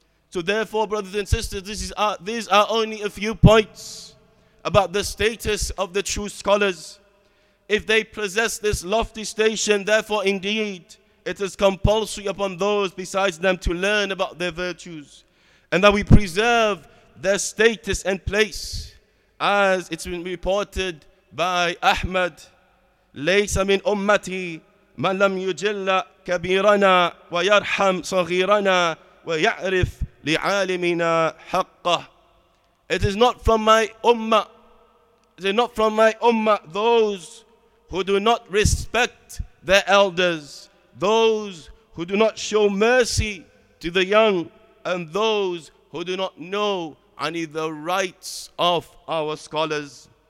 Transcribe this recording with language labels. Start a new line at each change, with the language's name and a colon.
English: So therefore, brothers and sisters, these are only a few points about the status of the true scholars. If they possess this lofty station, therefore indeed, it is compulsory upon those besides them to learn about their virtues, and that we preserve their status and place, as it's been reported by Ahmad,
Arabic: ليس من أمتي من لم يجل كبيرنا ويرحم صغيرنا ويعرف لعالمنا حقه.
English: It is not from my ummah. It is not from my ummah those who do not respect their elders, those who do not show mercy to the young, and those who do not know any the rights of our scholars.